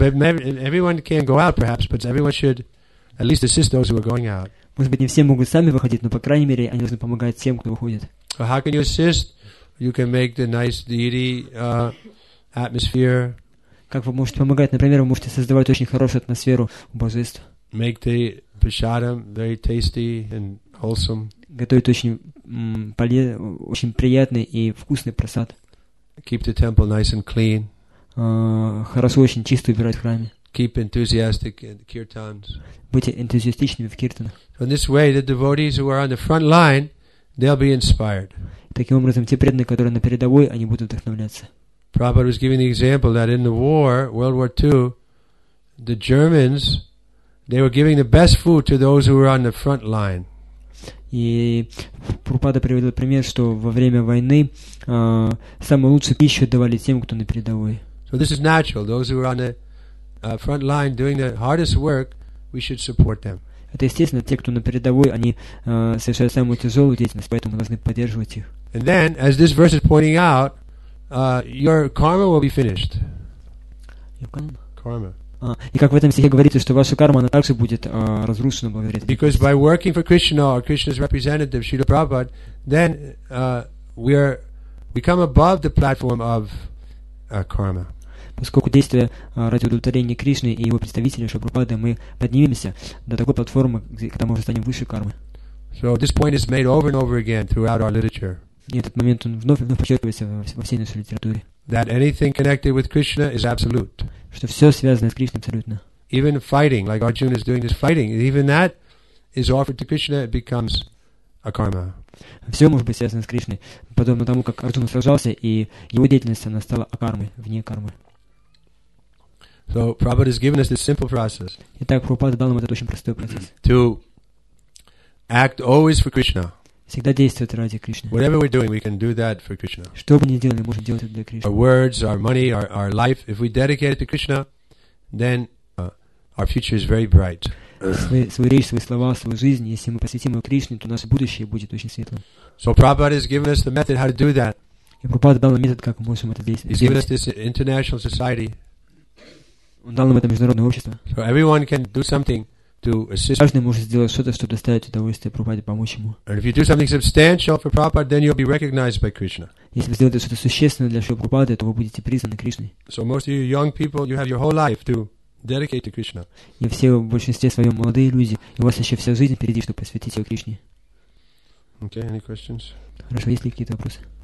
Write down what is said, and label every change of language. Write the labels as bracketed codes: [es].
[en] Everyone can't go out, perhaps, but everyone should at least assist those who are going out. [ru] Может быть, не все могут сами выходить, но по крайней мере они должны помогать тем, кто выходит. [en] So how can you assist? You can make the nice deity atmosphere. [ru] Как вы можете помогать? Например, вы можете создавать очень хорошую атмосферу у божеств. [en] Make the prasadam very tasty and wholesome. [ru] Готовить очень приятный и вкусный прасад. [en] Keep the temple nice and clean. [ru] Хорошо очень чисто убирать в храме. [en] Keep enthusiastic in the kirtans. [ru] Будьте энтузиастичными в киртанах. [en] So in this way, the devotees who are on the front line, they'll be inspired. [ru] Таким образом, те преданные, которые на передовой, они будут вдохновляться. [en] Prabhupada was giving the example that in the war, World War II, the Germans, they were giving the best food to those who were on the front line. [ru] И Прабхупада приводил пример, что во время войны самую лучшую пищу давали тем, кто на передовой. [en] So this is natural. Those who are on the front line doing the hardest work, we should support them. [ru] Это естественно, те, кто на передовой, они совершают самую тяжелую деятельность, поэтому мы должны поддерживать их. [en] And then, as this verse is pointing out, your karma will be finished. Your karma. Karma. [ru] И как в этом стихе говорится, что ваша карма, она также будет разрушена благодаря. [en] Because by working for Krishna or Krishna's representative, Srila Prabhupada, then we come above the platform of karma. [ru] Поскольку действие ради удовлетворения Кришны и его представителя Шри Прабхупады, мы поднимемся до такой платформы, когда мы уже станем выше кармы. [en] So this point is made over and over again throughout our literature. [ru] И этот момент он вновь и вновь подчеркивается во всей нашей литературе. [en] That anything connected with Krishna is absolute. [ru] Что все связано с Кришной абсолютно. [en] Even fighting, like Arjuna is doing this fighting, even that is offered to Krishna, it becomes a karma. [ru] Все может быть связано с Кришной, подобно тому, как Арджуна сражался, и его деятельность, она стала акармой, вне кармы. [en] So Prabhupada has given us this simple process. [ru] Итак, Прабхупада дал нам этот очень простой процесс. [en] To act always for Krishna. [ru] Всегда действовать ради Кришны. [en] Whatever we're doing, we can do that for Krishna. [ru] Что бы ни делали, можем делать это для Кришны. [en] Our words, our money, our life, if we dedicate it to Krishna, then our future is very bright. [ru] Свою речь, свои слова, свою жизнь, если мы посвятим ее Кришне, то наше будущее будет очень светлым. [en] So Prabhupada has given us the method how to do that. [ru] И Прабхупада дал нам метод, как мы можем это делать. [en] He's given us this international society. [ru] Он дал нам это международное общество. [en] So everyone can do something. To assist. [ru] Каждый может сделать что-то, чтобы доставить удовольствие Прабхупаде, помочь ему. [en] And if you do something substantial for Prabhupada, then you'll be recognized by Krishna. [ru] Если вы сделаете что-то существенное для Шри Прабхупады, то вы будете признаны Кришной. [en] So most of you young people, you have your whole life to dedicate to Krishna. [ru] И все в большинстве своем молодые люди, и у вас еще вся жизнь впереди, чтобы посвятить ее Кришне. [en] Okay, any questions? [ru] Хорошо, есть ли какие-то вопросы?